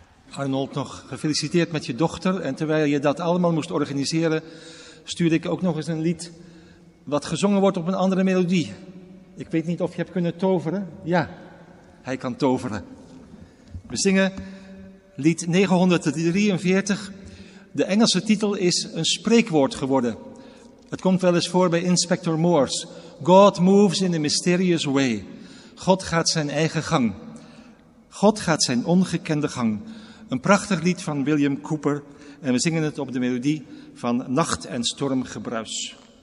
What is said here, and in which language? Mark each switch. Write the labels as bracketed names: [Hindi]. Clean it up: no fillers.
[Dutch] Arnold, nog gefeliciteerd met je dochter. En terwijl je dat allemaal moest organiseren, stuurde ik ook nog eens een lied wat gezongen wordt op een andere melodie. Ik weet niet of je hebt kunnen toveren. Ja, hij kan toveren. We zingen lied 943. De Engelse titel is een spreekwoord geworden. Het komt wel eens voor bij Inspector Morse. [English] God moves in a mysterious way. [Dutch] God gaat zijn eigen gang. God gaat zijn ongekende gang. Een prachtig lied van William Cooper. En we zingen het op de melodie van Nacht en Stormgebruis.